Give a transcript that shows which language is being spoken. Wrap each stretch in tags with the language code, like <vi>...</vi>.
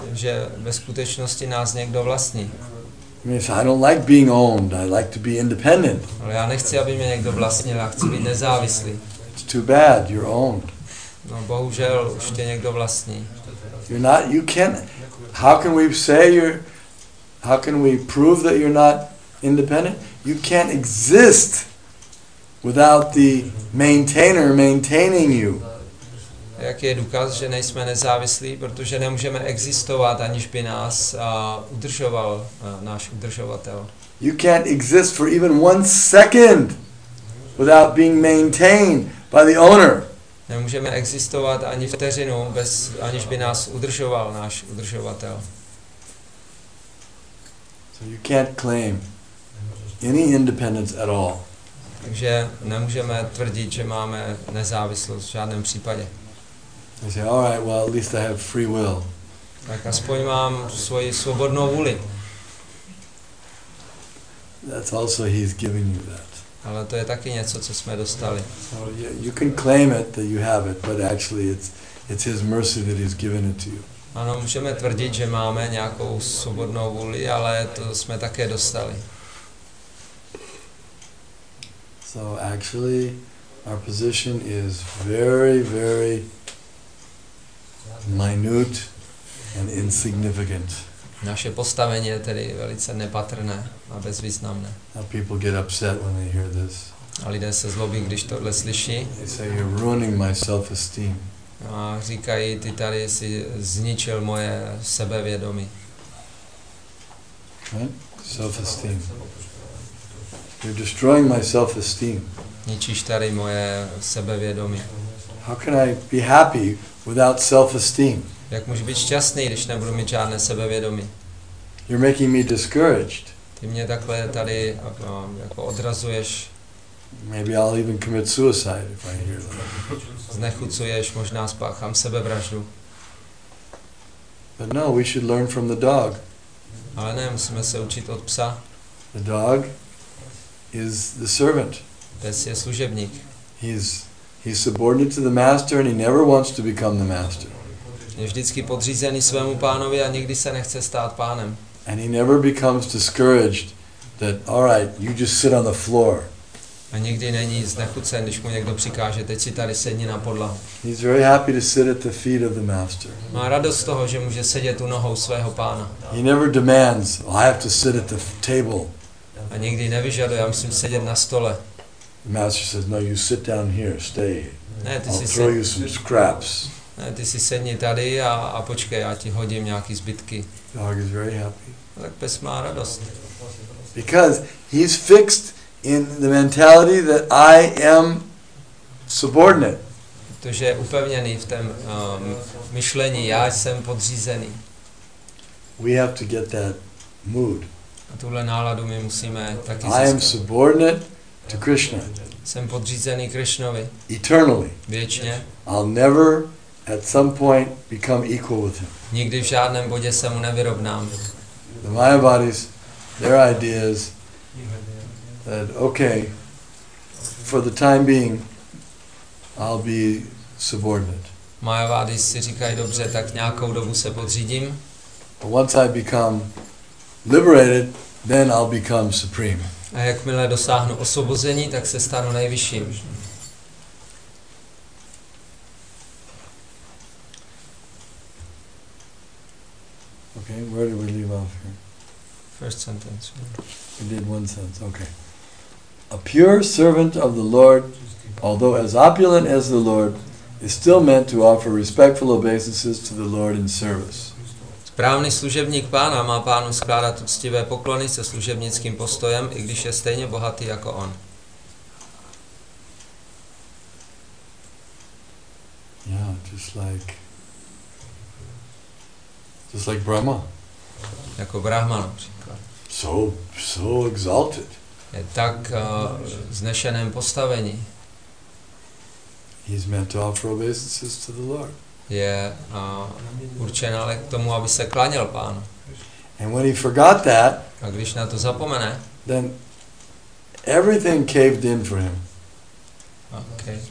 <cs>Že ve skutečnosti nás někdo vlastní.</cs> <en>I don't like being owned. I like to be independent.</en> <cs>Ale já nechci, aby mě někdo vlastnil, já chci být nezávislý.</cs> <en>It's too bad. You're owned.</en> <cs>No bohužel, už tě někdo vlastní.</cs> <en>You're not. You can't. How can we say you're? How can we prove that you're not independent? You can't exist without the maintainer maintaining you.</en> <cs>Jak je důkaz, že nejsme nezávislí, protože nemůžeme existovat, aniž by nás udržoval náš udržovatel.</cs> <en>You can't exist for even one second without being maintained by the owner.</en> <cs>Nemůžeme existovat ani vteřinu bez, aniž by nás udržoval náš udržovatel.</cs> <en>So you can't claim any independence at all.</en> <cs>Takže nemůžeme tvrdit, že máme nezávislost v žádném případě.</cs> <en>They say, all right, well, at least I have free will.</en> <cs>Tak aspoň mám svoji svobodnou vůli.</cs> <en>That's also he's giving you that.</en> <cs>Ale to je taky něco, co jsme dostali.</cs> <en>So you can claim it that you have it, but actually it's his mercy that he's given it to you.</en> <cs>Ano, můžeme tvrdit, že máme nějakou svobodnou vůli, ale to jsme také dostali.</cs> <en>So actually our position is very, very minute and insignificant.</en> <cs>Naše postavení je tedy velice nepatrné a bezvýznamné.</cs> <en>Now people get upset when they hear this.</en> <cs>A lidé se zlobí, když tohle slyší.</cs> <en>They say, you're ruining my self-esteem.</en> <cs>A říkají, ty tady si zničil moje sebevědomí.</cs> <en>Right? Self-esteem. You're destroying my self-esteem.</en> <cs>Ničíš tady moje sebevědomí.</cs> <en>How can I be happy without self-esteem?</en> <cs>Jak můžu být šťastný, když nebudu mít žádné sebevědomí?</cs> <en>You're making me discouraged.</en> <cs>Ty mě takhle tady jako odrazuješ.</cs> <en>Maybe I'll even commit suicide if I hear that.</en> <cs>Znechucuješ, možná spáchám sebevraždu.</cs> <en>But no, we should learn from the dog.</en> <cs>Ale ne, musíme se učit od psa.</cs> <en>The dog is the servant.</en> <cs>Pes je služebník.</cs> <en>He's subordinate to the master and he never wants to become the master.</en> <cs>Je vždycky podřízený svému pánovi a nikdy se nechce stát pánem.</cs> <en>And he never becomes discouraged that all right, you just sit on the floor.</en> <cs>A nikdy není znechucen, když mu někdo přikáže, teď si tady sedni na podlahu.</cs> <en>He's very happy to sit at the feet of the master.</en> <cs>Má radost z toho, že může sedět u nohou svého pána.</cs> <en>He never demands, I have to sit at the table.</en> <cs>A nikdy nevyžaduje, já musím sedět na stole.</cs> <en>The master says, no, you sit down here, stay.</en> <cs>Ne, ty</cs> <en>I'll throw you some scraps.</en> <cs>Ne, ty si sedni tady a počkej, já ti hodím nějaký zbytky.</cs> <en>Dog is very happy.</en> <cs>Tak pes má radost.</cs> <en>Because he's fixed in the mentality that I am subordinate.</en> <cs>Protože je upevněný v tom myšlení, já jsem podřízený.</cs> <en>We have to get that mood.</en> <cs>A tuhle náladu my musíme taky získat.</cs> <en>I am subordinate to Krishna.</en> <cs>Jsem podřízený Krishnovi.</cs> <en>Eternally.</en> <cs>Věčně.</cs> <en>I'll never at some point become equal with him.</en> <cs>Nikdy v žádném bodě se mu nevyrovnám.</cs> <en>The Mayavadis, their ideas that okay, for the time being, I'll be subordinate.</en> <cs>Mayavadi si říkají dobře, tak nějakou dobu se podřídím.</cs> <en>But once I become liberated, then I'll become supreme.</en> <cs>A jakmile dosáhnu osvobození, tak se stanu nejvyšším.</cs> <en>Okay, where did we leave off here? First sentence. We did one sentence, okay. A pure servant of the Lord, although as opulent as the Lord, is still meant to offer respectful obeisances to the Lord in service.</en> <cs>Správný služebník pána má pánu skládat uctivé poklony se služebnickým postojem, i když je stejně bohatý jako on.</cs> <en>Yeah, just like Brahma.</en> <cs>Jako Brahma například.</cs> <en>So exalted.</en> <cs>Je tak vznešeném postavení.</cs> <en>He's meant to offer obeisances to the Lord.</en> <cs>Je určen ale k tomu, aby se klanil pánu.</cs> <en>And when he forgot that,</en> <cs>a když na to zapomene,</cs> <en>then everything caved in for him. Okay.</en>